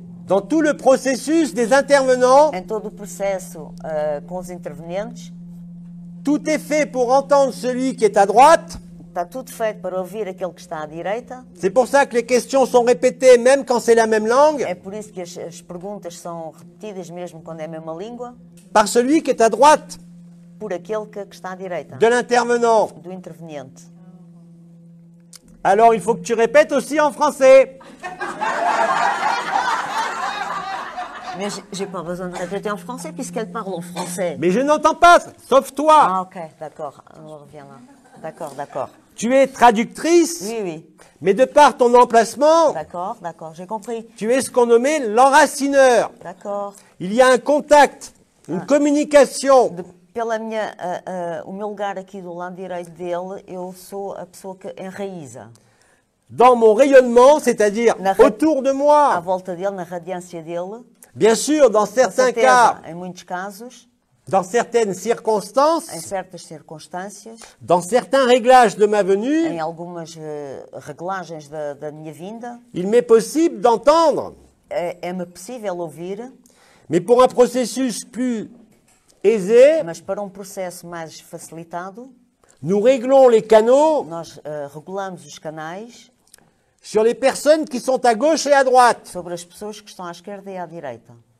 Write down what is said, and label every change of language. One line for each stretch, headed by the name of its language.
French: dans tout le processus des intervenants,
Portuguese: em todo o processo com os intervenientes,
French: tout est fait pour entendre celui qui est à droite.
Portuguese: Está tudo feito para ouvir aquele que está à direita.
French: C'est pour ça que les questions sont répétées même quand c'est la même langue.
Portuguese: É por isso que as perguntas são repetidas mesmo quando é a mesma língua.
French: Par celui qui est à droite.
Portuguese: Por aquele que está à direita.
French: De l'intervenant.
Portuguese: Do interveniente.
French: Alors il faut que tu répètes aussi en français. Mais j'ai pas besoin de répéter en français puisqu'elle parle en français. Mais je n'entends pas, sauf toi. Ah ok, d'accord, on revient là. D'accord, d'accord. Tu es traductrice. Oui, oui. Mais de par ton emplacement. D'accord, d'accord, j'ai compris. Tu es ce qu'on nommait l'enracineur. D'accord. Il y a un contact, une communication.
Portuguese: Pela minha, o meu lugar aqui do lado direito dele, eu sou a pessoa que enraiza.
French: Dans mon rayonnement, c'est-à-dire autour de moi.
Portuguese: À volta dele, na radiância dele.
French: Bien sûr, dans certains cas.
Portuguese: Em muitos casos.
French: Dans certaines circonstances,
Portuguese: em certas circunstâncias,
French: dans certains réglages de ma venue,
Portuguese: em algumas reglagens da minha vinda,
French: il m'est possible d'entendre,
Portuguese: é-me possível ouvir,
French: mais pour un processus plus aisé,
Portuguese: mas para processo mais facilitado,
French: nous réglons les canaux,
Portuguese: nós regulamos os canais,
French: sur les personnes qui sont à gauche et à droite,
Portuguese: sobre as pessoas que estão à esquerda e à direita.